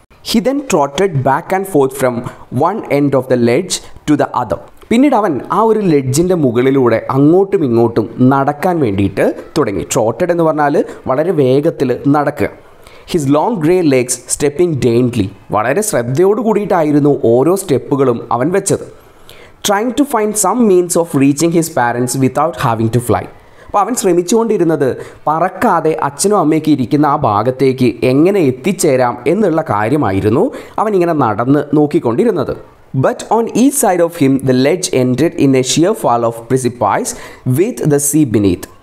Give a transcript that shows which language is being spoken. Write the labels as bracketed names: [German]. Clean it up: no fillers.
[English] He then trotted back and forth from one end of the ledge to the other. [Malayalam] പിന്നീട് അവൻ ആ ഒരു ലെഡ്ജിൻ്റെ മുകളിലൂടെ അങ്ങോട്ടും ഇങ്ങോട്ടും നടക്കാൻ വേണ്ടിയിട്ട് തുടങ്ങി. ട്രോട്ടഡ് എന്ന് പറഞ്ഞാൽ വളരെ വേഗത്തിൽ നടക്കുക. [English] His long grey legs stepping daintily. [Malayalam] വളരെ ശ്രദ്ധയോട് കൂടിയിട്ടായിരുന്നു ഓരോ സ്റ്റെപ്പുകളും അവൻ വെച്ചത്. [English] Trying to find some means of reaching his parents without having to fly. [Malayalam] അപ്പോൾ അവൻ ശ്രമിച്ചുകൊണ്ടിരുന്നത് പറക്കാതെ അച്ഛനും അമ്മയൊക്കെ ഇരിക്കുന്ന ആ ഭാഗത്തേക്ക് എങ്ങനെ എത്തിച്ചേരാം എന്നുള്ള കാര്യമായിരുന്നു അവനിങ്ങനെ നടന്ന് നോക്കിക്കൊണ്ടിരുന്നത്. [English] But on ഈ side of him the ledge ended in A shear fall of പ്രിസിപ്പൈസ് with the sea beneath.